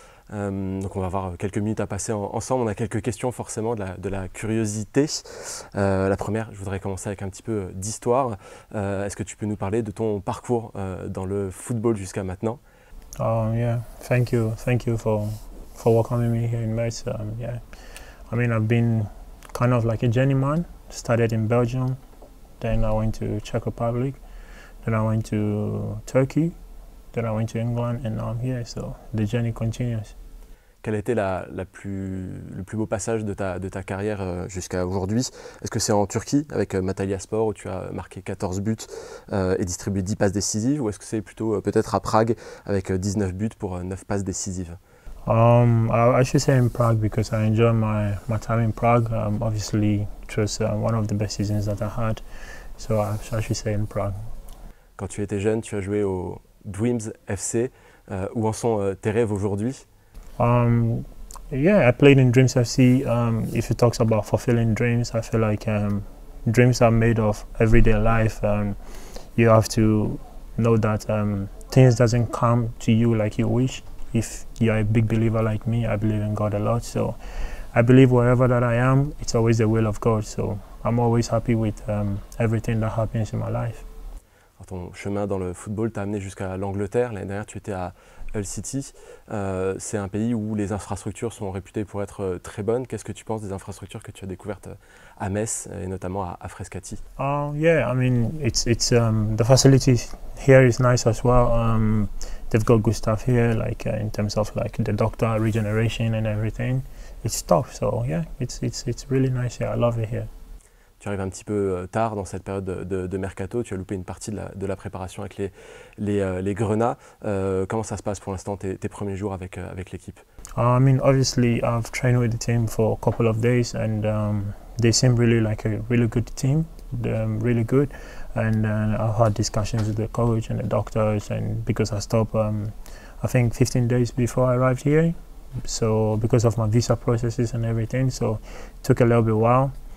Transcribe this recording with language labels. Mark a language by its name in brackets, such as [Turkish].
[French] Donc on va avoir quelques minutes à passer ensemble. On a quelques questions forcément de la curiosité. La première, je voudrais commencer avec un petit peu d'histoire. Est-ce que tu peux nous parler de ton parcours dans le football jusqu'à maintenant? [English] Thank you for welcoming me here in Metz. Yeah, I mean I've been kind of like a journeyman. Started in Belgium, then I went to Czech Republic. Then I went to Turkey, then I went to England, and now I'm here, so the journey continues. [French] Quel a été le plus beau passage de ta carrière jusqu'à aujourd'hui? Est-ce que c'est en Turquie, avec Matalia Sport, où tu as marqué 14 buts et distribué 10 passes décisives, ou est-ce que c'est plutôt peut-être à Prague, avec 19 buts pour 9 passes décisives? [English] I should say in Prague, because I enjoy my time in Prague. Obviously, it was one of the best seasons that I had, so I should say in Prague. [French] Quand tu étais jeune, tu as joué au Dreams FC. Où en sont tes rêves aujourd'hui? [English] I played in Dreams FC. If it talks about fulfilling dreams, I feel like dreams are made of everyday life. You have to know that things doesn't come to you like you wish. If you're a big believer like me, I believe in God a lot. So I believe wherever that I am, it's always the will of God. So I'm always happy with everything that happens in my life. [French] Ton chemin dans le football t'a amené jusqu'à l'Angleterre. L'année dernière, tu étais à Hull City. C'est un pays où les infrastructures sont réputées pour être très bonnes. Qu'est-ce que tu penses des infrastructures que tu as découvertes à Metz et notamment à Frascati? [English] The facilities here is nice as well. They've got good stuff here, like in terms of like the doctor regeneration and everything. It's tough, so yeah, it's really nice here. I love it here. [French] Tu arrives un petit peu tard dans cette période de mercato, tu as loupé une partie de la préparation avec les Grenats. Comment ça se passe pour l'instant, tes premiers jours avec l'équipe? [English] Obviously, I've trained with the team for a couple of days and they seem really like a really good team, really good. And I've had discussions with the coach and the doctors, and because I stopped, I think 15 days before I arrived here, so because of my visa processes and everything, so it took a little bit while.